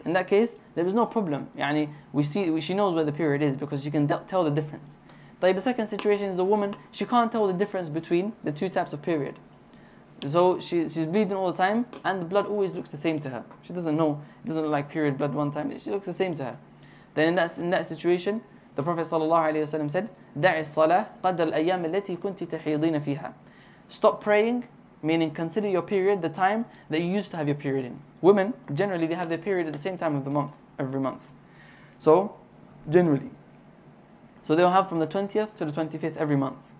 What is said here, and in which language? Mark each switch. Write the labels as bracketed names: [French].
[English] In that case, there is no problem. Yani, she knows where the period is because she can tell the difference. The second situation is a woman, she can't tell the difference between the two types of period. So she's bleeding all the time and the blood always looks the same to her. She doesn't know, it doesn't look like period blood one time, she looks the same to her. Then in that situation, the Prophet ﷺ said, [Arabic] دَعِ الصَّلَاةِ قَدَّ الْأَيَّامِ الَّتِي كُنْتِ تَحِيضِينَ فِيهَا. [English] Stop praying, meaning consider your period, the time that you used to have your period in. Women, generally, they have their period at the same time of the month, every month. So, generally. So they'll have from the 20th to the 25th every month.